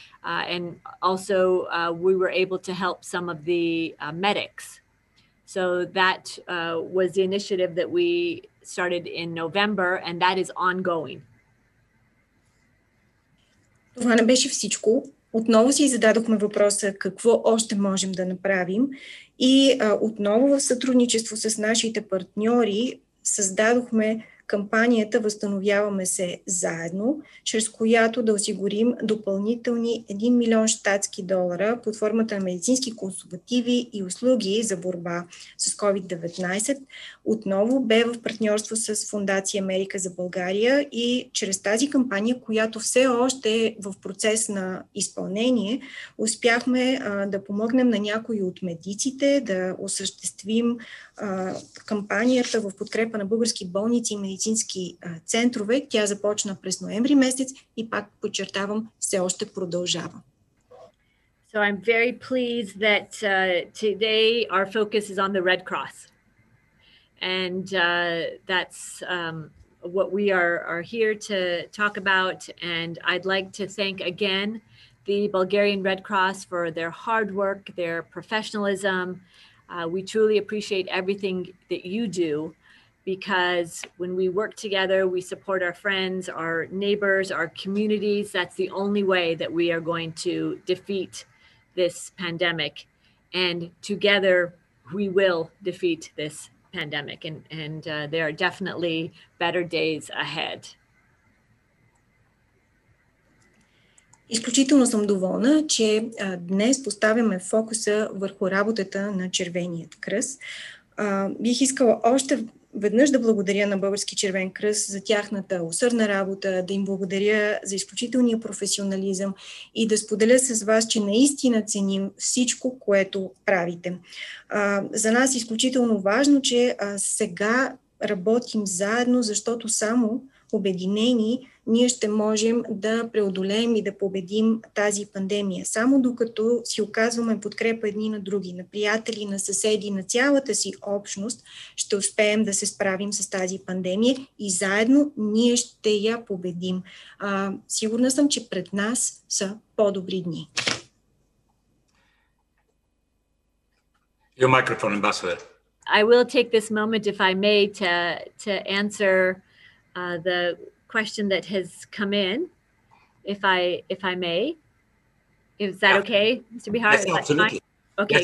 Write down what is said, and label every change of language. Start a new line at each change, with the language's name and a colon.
English: And also we were able to help some of the medics. So that was the initiative that we started in November, and that is ongoing.
Bulgarian: Това не беше всичко. Отново си зададохме въпроса какво още можем да направим. И отново в сътрудничество с нашите партньори създадохме кампанията Възстановяваме се заедно, чрез която да осигурим допълнителни 1 милион щатски долара под формата на медицински консумативи и услуги за борба с COVID-19. Отново бе в партньорство с Фондация Америка за България и чрез тази кампания, която все още е в процес на изпълнение, успяхме да помогнем на някои от медиците да осъществим кампанията в подкрепа на български болници и медицински центрове. Тя започна през ноември месец и пак подчертавам, все още продължава.
English: So I'm very pleased that today our focus is on the Red Cross. And that's what we are here to talk about. And I'd like to thank again the Bulgarian Red Cross for their hard work, their professionalism. We truly appreciate everything that you do, because when we work together, we support our friends, our neighbors, our communities. That's the only way that we are going to defeat this pandemic. And together, we will defeat this pandemic. And there are definitely better days ahead.
Bulgarian: Изключително съм доволна, че днес поставяме фокуса върху работата на Червеният кръст. Бих искала още веднъж да благодаря на Български Червен кръст за тяхната усърдна работа, да им благодаря за изключителния професионализъм и да споделя с вас, че наистина ценим всичко, което правите. За нас е изключително важно, че сега работим заедно, защото само обединени ние ще можем да преодолеем и да победим тази пандемия. Само докато си оказваме подкрепа едни на други, на приятели, на съседи, на цялата си общност, ще успеем да се справим с тази пандемия и заедно ние ще я победим. Сигурна съм, че пред нас са по-добри дни.
English: Your microphone, Ambassador. I will take this moment, if I may, to answer the question that has come in, if I may. Is that okay, Mr. Bihar? Yes, absolutely. Okay,